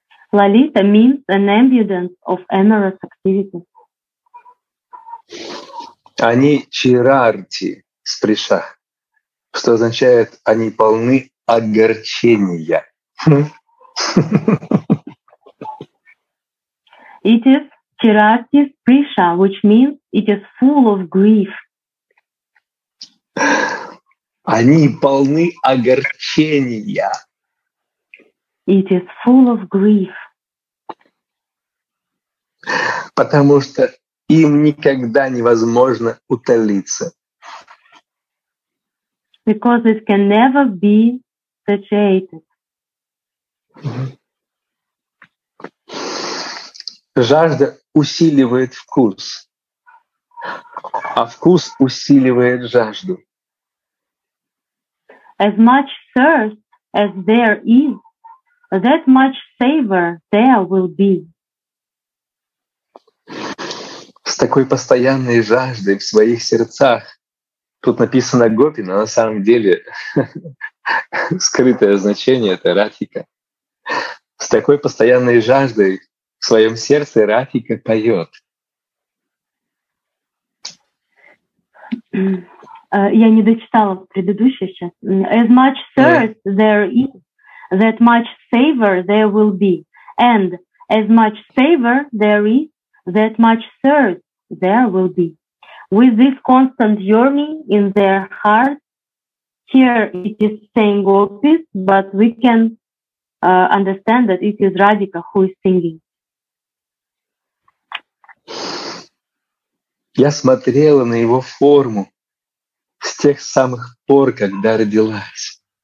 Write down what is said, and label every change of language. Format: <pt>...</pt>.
<en>Лалита means an abundance of amorous activity.</en> <ru>Они чирарти сприша, что означает они полны огорчения.</ru> <en>It is Chirastis Prisha, which means it is full of grief.</en> <ru>Они полны огорчения.</ru> <en>It is full of grief.</en> <ru>Потому что им никогда невозможно утолиться.</ru> <en>Because it can never be satiated.</en> <ru>Жажда усиливает вкус, а вкус усиливает жажду.</ru> <en>As much thirst as there is, that much savor there will be.</en> <ru>С такой постоянной жаждой в своих сердцах. Тут написано гопи, но на самом деле скрытое значение — это Радхика. С такой постоянной жаждой в своем сердце Радхика поет. Я не дочитала предыдущее сейчас.</ru> <en>As much thirst there is, that much savor there will be. And as much savor there is, that much thirst there will be. With this constant yearning in their heart, here it is saying gopis, but we can understand that it is Radhika who is singing.</en> <ru>Я смотрела на его форму с тех самых пор, когда родилась.</ru>